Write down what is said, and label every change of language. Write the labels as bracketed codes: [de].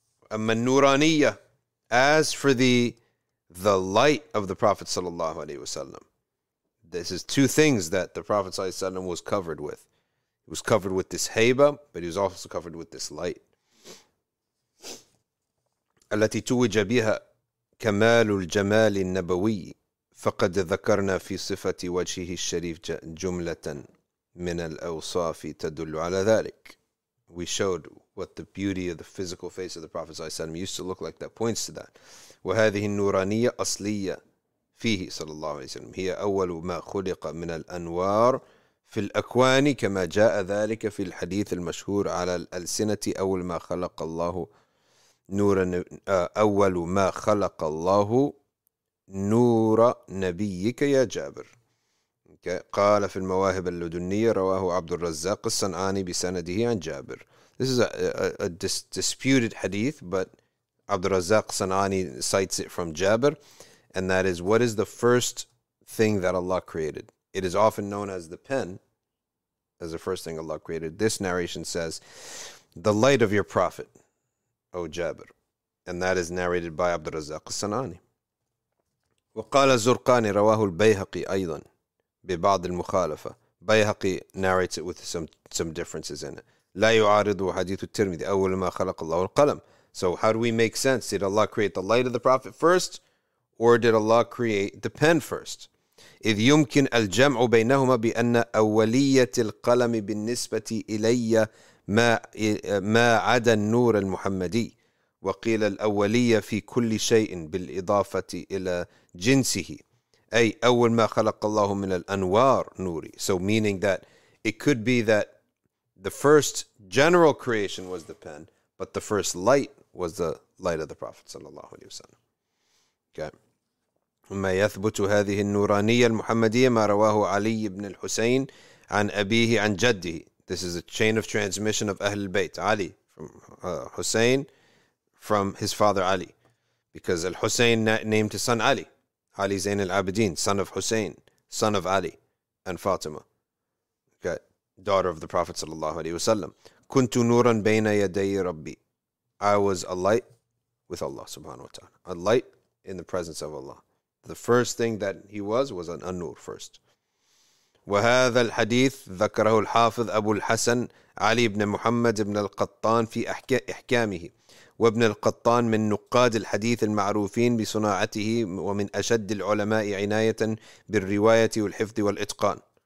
[en] Amman nuraniya. As for the light of the Prophet sallallahu alaihi wasallam, this is two things that the Prophet sallallahu alaihi wasallam was covered with. He was covered with this haybah, but he was also covered with this light. [ar] التي توج بها كمال الجمال النبوي فقد ذكرنا في صفة وجهه الشريف جملة من الأوصاف تدل على ذلك [en] we showed what the beauty of the physical face of the Prophet ﷺ used to look like, that points to that. [ar] وَهَذِهِ النُّورَانِيَّ أَصْلِيَّ فِيهِ صلى الله عليه وسلم هِيَ أَوَّلُ مَا خُلِقَ مِنَ الْأَنْوَارِ فِي الْأَكْوَانِ كَمَا جَاءَ ذَلِكَ فِي الْحَدِيثِ الْمَشْهُورِ عَلَى الْأَلْسِنَةِ أَوَّلُ مَا خَلَقَ اللَّهُ نُورًا أَوَّلُ مَا خَلَقَ اللَّهُ نُورَ نَبِيِّكَ يَا جَابِرُ. قال في المواهب اللدنية رواه عبد الرزاق الصنعاني بسنده عن جابر. [en] This is a disputed hadith, but Abd al-Razzaq Sanani cites it from Jabir, and that is, what is the first thing that Allah created? It is often known as the pen, as the first thing Allah created. This narration says, the light of your prophet, O Jabir. And that is narrated by Abd al-Razzaq Sanani. [ar] وقال الزرقاني رواه البيهقي أيضا ببعض المخالفة. [en] بيهقي narrates it with some differences in it. [ar] لا يعارض حديث الترمذي أول ما خلق الله القلم. [en] So how do we make sense? Did Allah create the light of the Prophet first, or did Allah create the pen first? [ar] إذ يمكن الجمع بينهما بأن أولية القلم بالنسبة إلي ما عدا النور المحمدي وقيل الأولية في كل شيء بالإضافة إلى جنسه أي أول ما خلق الله من الأنوار نوري. [en] So meaning that it could be that the first general creation was the pen, but the first light was the light of the Prophet sallallahu alaihi wasallam. [ar] وما يثبت هذه النورانية المحمدية ما رواه علي بن الحسين عن أبيه عن جده. [en] This is a chain of transmission of أهل البيت. Ali from Hussein, from his father Ali, because al-Hussein named his son Ali. Ali Zain al-Abidin, son of Hussein, son of Ali and Fatima. Okay. Daughter of the Prophet sallallahu alaihi wasallam. [ar] كنت نورا بين يدي ربي. [en] I was a light with Allah subhanahu wa ta'ala. A light in the presence of Allah. The first thing that he was an an-nur first. [ar] وهذا الحديث ذكره الحافظ أبو الحسن علي بن محمد بن القطان في إحكامه. وابن القطان من نقاد الحديث المعروفين بصناعته ومن أشد العلماء عناية بالرواية والحفظ والإتقان.